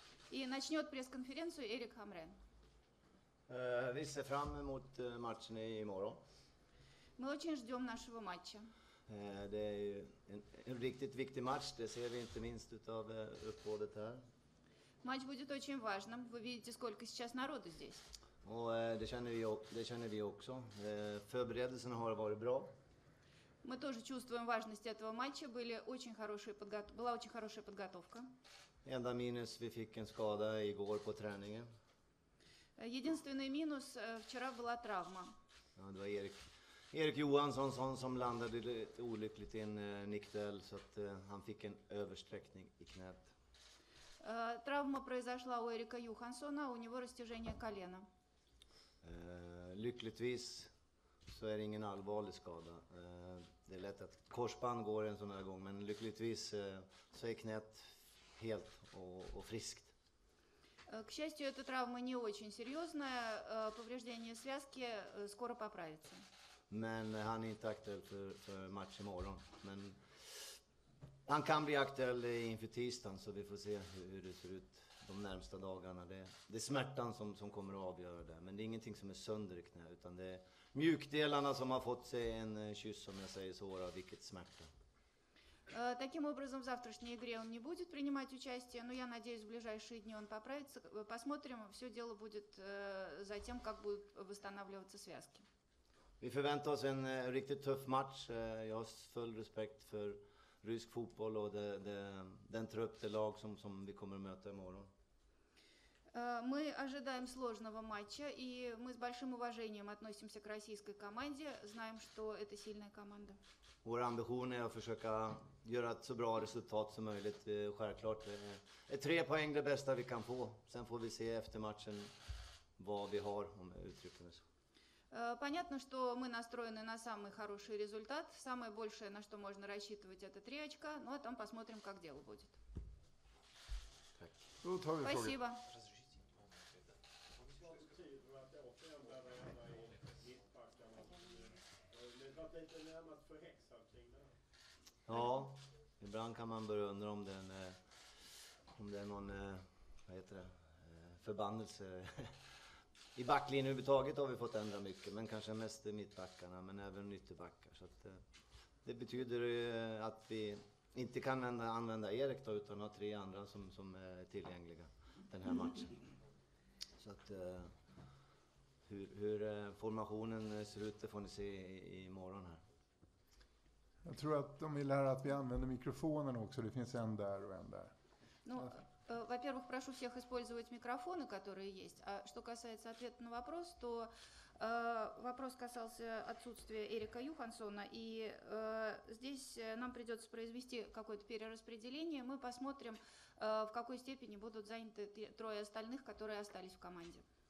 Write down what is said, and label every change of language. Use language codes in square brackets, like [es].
[ru] И начнет пресс-конференцию Эрик Хамрен. [sv] Vi ser fram emot matchen imorgon. [ru] Мы очень ждем нашего матча. [sv] Det är en riktigt viktig match, det ser vi inte minst utav uppbådet här. [ru] Матч будет очень важным. Вы видите, сколько сейчас народу здесь. [sv] Det känner vi också. Förberedelserna har varit bra. [ru] Мы тоже чувствуем важность этого матча. Была очень хорошая подготовка. [sv] Enda minus, vi fick en skada igår på träningen. [ru] Единственный минус, вчера была травма. [sv] Ja, det var Erik Johansson som landade lite olyckligt i en nickduell så att han fick en översträckning i knät. [ru] Травма произошла у Эрика Юхансона, у него растяжение колена. [sv] Lyckligtvis så är det ingen allvarlig skada. Det är lätt att korsband går en sån här gång, men lyckligtvis så är knät helt och friskt. [ru] К счастью, эта травма не очень серьезная. Повреждение связки скоро поправится. [sv] Men han är inte aktuell för match imorgon. Men han kan bli aktuell inför tisdagen så vi får se hur det ser ut de närmsta dagarna. Det är smärtan som kommer att avgöra det. Men det är ingenting som är sönder i knä utan det är mjukdelarna som har fått sig en kyss om jag säger så. Vilket smärta. [ru] Таким образом, в завтрашней игре он не будет принимать участие, но я надеюсь, в ближайшие дни он поправится. Посмотрим, все дело будет за тем, как будут восстанавливаться связки. [sv] Vi förväntar oss en riktigt tuff match. Jag har full respekt för rysk fotboll och den trupp, det lag som vi kommer att möta imorgon. [ru] Мы ожидаем сложного матча, и мы с большим уважением относимся к российской команде, знаем, что это сильная команда. [sv] Vår ambition är att försöka göra ett så bra resultat som möjligt. Självklart är 3 poäng det bästa vi kan få. Sen får vi se efter matchen vad vi har, om jag uttrycker mig så. [ru] Понятно, что мы настроены на самый хороший результат. Самое большее, на что можно рассчитывать, это 3 очка. Ну, а там посмотрим, как дело будет. Спасибо. [sv] Ja, ibland kan man börja undra om det är någon, vad heter det, förbannelse. I backlinjen överhuvudtaget har vi fått ändra mycket, men kanske mest i mittbackarna, men även ytterbackar. Så att, det betyder att vi inte kan använda Erik då, utan ha 3 andra som är tillgängliga den här matchen. Så att, hur formationen ser ut, det får ni se i morgon här. Jag tror att de vill lära att vi använder mikrofonen också, det finns en där och en där. [ru] Во-первых, прошу всех использовать микрофоны, которые есть. А что касается ответа на вопрос, то вопрос касался отсутствия Эрика Юхансона. И здесь нам придется произвести какое-то перераспределение. Мы посмотрим, в какой степени будут заняты 3 остальных, которые остались в команде.